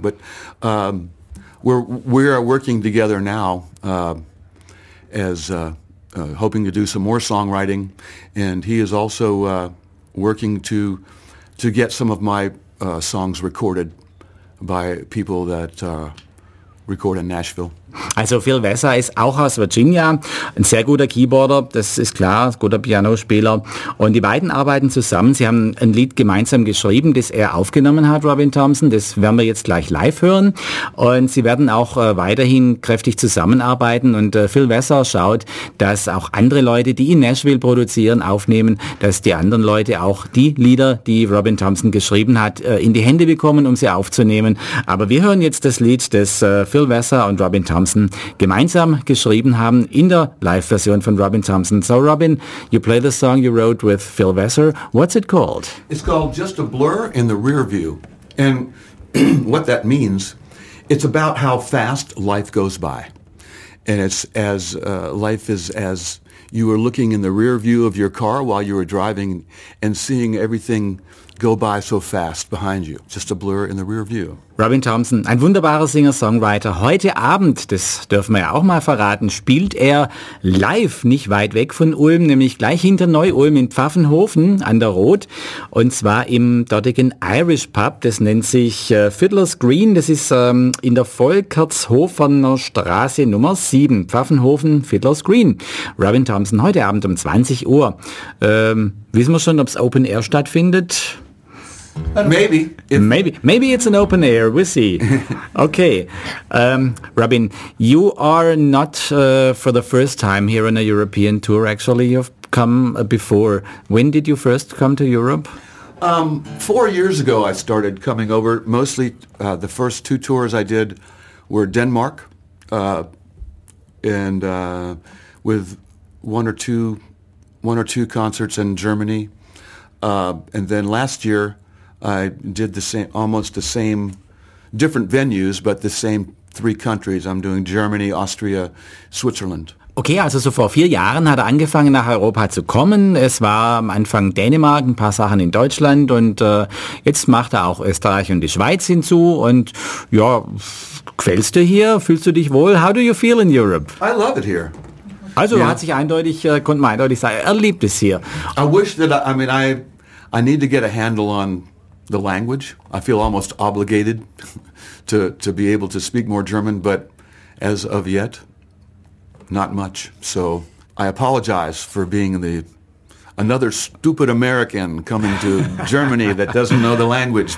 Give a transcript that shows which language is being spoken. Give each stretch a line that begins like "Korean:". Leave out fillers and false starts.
English: But we are working together now hoping to do some more songwriting, and he is also working to get some of my songs recorded by people that record in Nashville.
German: Also Phil Vassar ist auch aus Virginia, ein sehr guter Keyboarder, das ist klar, ein guter Pianospieler. Und die beiden arbeiten zusammen, sie haben ein Lied gemeinsam geschrieben, das er aufgenommen hat, Robin Thompson, das werden wir jetzt gleich live hören. Und sie werden auch weiterhin kräftig zusammenarbeiten. Und Phil Vassar schaut, dass auch andere Leute, die in Nashville produzieren, aufnehmen, dass die anderen Leute auch die Lieder, die Robin Thompson geschrieben hat, in die Hände bekommen, um sie aufzunehmen. Aber wir hören jetzt das Lied, das Phil Vassar und Robin Thompson gemeinsam geschrieben haben in der Live-Version von Robin Thompson.
English: So Robin, you play the song you wrote with Phil Vassar. What's it called? It's called Just a Blur in the Rear View. And what that means, it's about how fast life goes by. And it's as life is as you were looking in the rear view of your car while you were driving and seeing everything go by so fast behind you. Just a blur in the rear view.
German: Robin Thompson, ein wunderbarer Singer-Songwriter. Heute Abend, das dürfen wir ja auch mal verraten, spielt er live nicht weit weg von Ulm, nämlich gleich hinter Neu-Ulm in Pfaffenhofen an der Roth. Und zwar im dortigen Irish Pub. Das nennt sich Fiddler's Green. Das ist in der Volkertshofener Straße Nummer 7. Pfaffenhofen, Fiddler's Green. Robin Thompson, heute Abend um 20 Uhr. Wissen wir schon, ob es Open Air stattfindet?
English: Maybe it's an open air. We'll see. Okay, Robin, you are not for the first time here on a European tour. Actually, you've come before. When did you first come to Europe? 4 years ago, I started coming over. Mostly, the first two tours I did were Denmark, and with one or two concerts in Germany, and then last year, I did the same, almost the same, different venues, but the same three countries. I'm doing Germany, Austria, Switzerland.
German: Okay, also so vor 4 Jahren hat er angefangen, nach Europa zu kommen. Es war am Anfang Dänemark, ein paar Sachen in Deutschland und jetzt macht er auch Österreich und die Schweiz hinzu. Und ja, quälst du hier? Fühlst du dich wohl?
English: How do you feel in Europe? I love it here. Also yeah.
German: Konnte man eindeutig sagen, er liebt es hier.
English: I need to get a handle on the language. I feel almost obligated to be able to speak more German, but as of yet, not much. So I apologize for being the another stupid American coming to Germany that doesn't know the language.